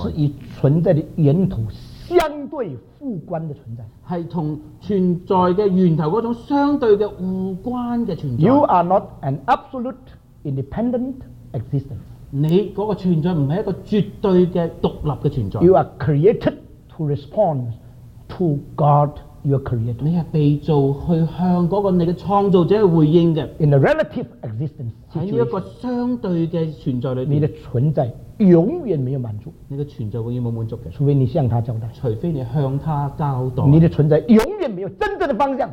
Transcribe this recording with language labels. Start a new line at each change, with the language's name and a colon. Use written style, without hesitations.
Chinese: 是以存在的源头相对互关的存在，是从存在的源头那种相对的互关的存在。
English: You are not an absolute independent existence，
Chinese: 你那个存在不是一个绝对的独立的存在。
English: You are created to respond to God, your creator.
Chinese: 你是被造去向那个你的创造者去回应的。
English: In a relative existence situation,
Chinese: 在一个相对的存在里面，你的存在永远没有满足。你的存在永远没有满足的，除非你向他交代，除非你向他交代。你的存在永远没有真正的方向，